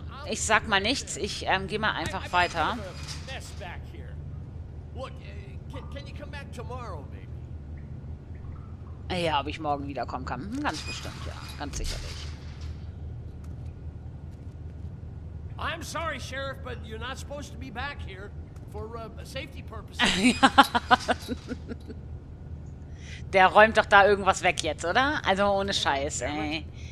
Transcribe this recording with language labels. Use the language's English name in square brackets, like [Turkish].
[German] Ich sag mal nichts. Ich gehe mal einfach weiter. Ja, ob ich morgen wiederkommen kann. Ganz bestimmt, ja. Ganz sicherlich. [English] I'm sorry, Sheriff, but you're not supposed to be back here for safety purposes. [German] Der räumt doch da irgendwas weg jetzt, oder? Also ohne Scheiß, ey.